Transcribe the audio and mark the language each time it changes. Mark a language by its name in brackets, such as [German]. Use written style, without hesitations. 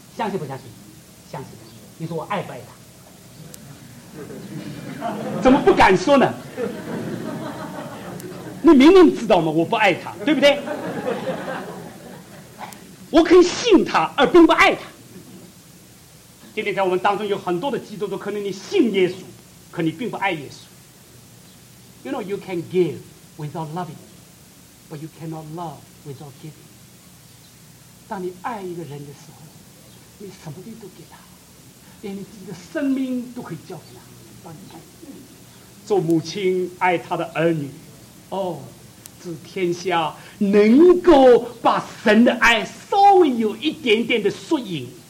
[Chinese] 相信不相信？相信。你说我爱不爱他？怎么不敢说呢？你明明知道吗？我不爱他，对不对？我可以信他而并不爱他。今天在我们当中有很多的基督徒，可能你信耶稣，可你并不爱耶稣。 [English] You know you can give without loving, but you cannot love without giving. [Chinese] 当你爱一个人的时候，你什么都给他，连你自己的生命都可以交给他。当你爱做母亲爱他的儿女，哦，这天下能够把神的爱稍微有一点点的缩影。